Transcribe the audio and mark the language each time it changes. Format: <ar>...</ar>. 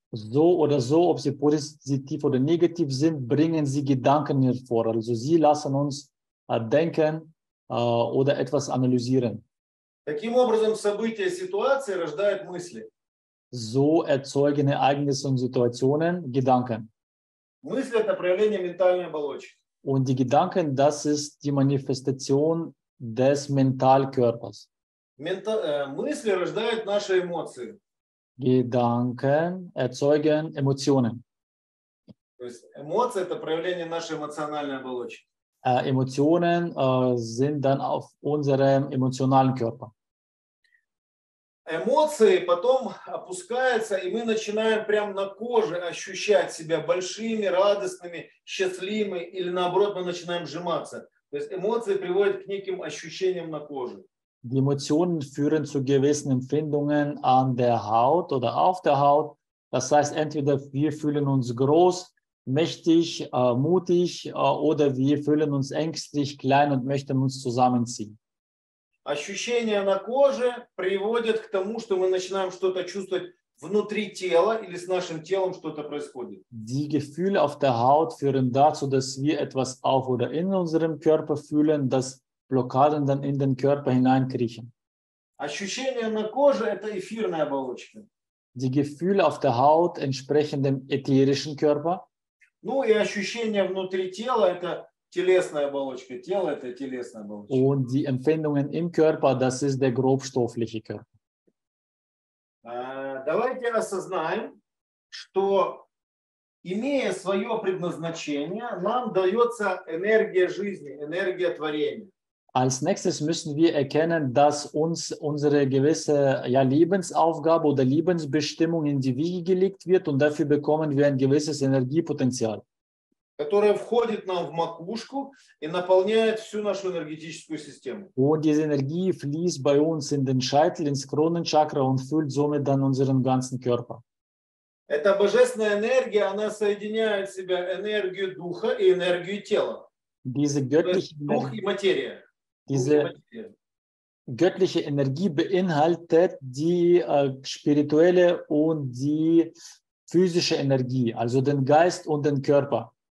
<de>So oder so, ob sie positiv oder negativ sind, bringen sie Gedanken hervor. Also sie lassen uns denken oder etwas analysieren.</de> <ru>Таким образом, события, ситуации рождают мысли.</ru> <de>So erzeugen Ereignisse und Situationen Gedanken.</de> <ru>Мысли – это проявление ментальной оболочки.</ru> <de>Und die Gedanken, das ist die Manifestation des Mentalkörpers.</de> <ru>Мысли рождают наши эмоции.</ru> <de>Gedanken erzeugen Emotionen.</de> <ru>То есть эмоции – это проявление нашей эмоциональной оболочки.</ru> <de>Emotionen sind dann auf unserem emotionalen Körper.</de> <ru>Эмоции потом опускаются, и мы начинаем прямо на коже ощущать себя большими, радостными, счастливыми, или наоборот, мы начинаем сжиматься. То есть эмоции приводят к неким ощущениям на коже.</ru> <de>Die Emotionen führen zu gewissen Empfindungen an der Haut oder auf der Haut. Das heißt, entweder wir fühlen uns groß, mächtig, mutig oder wir fühlen uns ängstlich, klein und möchten uns zusammenziehen.</de> <ru>Ощущения на коже приводят к тому, что мы начинаем что-то чувствовать внутри тела или с нашим телом что-то происходит.</ru> <de>Die Gefühle auf der Haut führen dazu, dass wir etwas auf oder in unserem Körper fühlen, dass Blockaden dann in den Körper hineinkriechen.</de> <ru>Ощущения на коже – это эфирная оболочка.</ru> <de>Die Gefühle auf der Haut entsprechen dem ätherischen Körper.</de> <ru>Ну и ощущения внутри тела – это телесная оболочка. Тело – это телесная оболочка.</ru> <de>Und die Empfindungen im Körper – das ist der grobstoffliche Körper.</de> <ru>Давайте осознаем, что имея свое предназначение, нам дается энергия жизни, энергия творения.</ru> <de>Als nächstes müssen wir erkennen, dass uns unsere gewisse Lebensaufgabe oder Lebensbestimmung in die Wiege gelegt wird und dafür bekommen wir ein gewisses Energiepotenzial,</de> <ru>которое входит нам в макушку и наполняет всю нашу энергетическую систему.</ru> <de>Und diese Energie fließt bei uns in den Scheitel, ins Kronenchakra und füllt somit dann unseren ganzen Körper.</de> <ru>Эта божественная энергия, она соединяет в себя энергию духа и энергию тела.</ru> <de>Diese göttliche Energie,</de> <ru>дух и материя.</ru> <de>Diese göttliche Energie beinhaltet die spirituelle und die physische Energie, also den Geist und den Körper.</de>